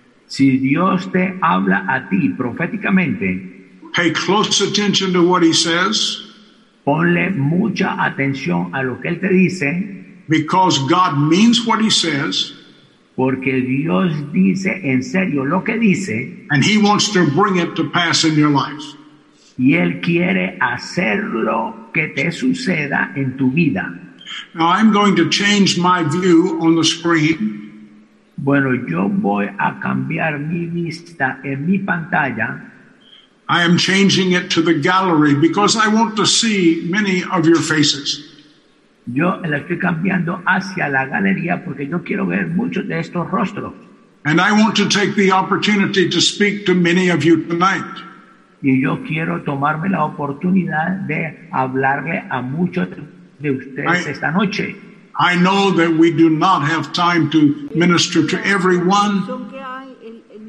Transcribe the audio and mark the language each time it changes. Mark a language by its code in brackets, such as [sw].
[es] si Dios te habla a ti proféticamente, [en] pay close attention to what he says. [es] Ponle mucha atención a lo que él te dice. [en] Because God means what he says. [es] Porque Dios dice en serio lo que dice. [en] And he wants to bring it to pass in your life. [es] Y él quiere hacerlo que te suceda en tu vida. [en] Now I'm going to change my view on the screen. [es] Bueno, yo voy a cambiar mi vista en mi pantalla. [en] I am changing it to the gallery because I want to see many of your faces. [es] Yo la estoy cambiando hacia la galería porque yo quiero ver muchos de estos rostros. [en] And I want to take the opportunity to speak to many of you tonight. [es] Y yo quiero tomarme la oportunidad de hablarle a muchos de ustedes esta noche. [en] I know that we do not have time to minister to everyone.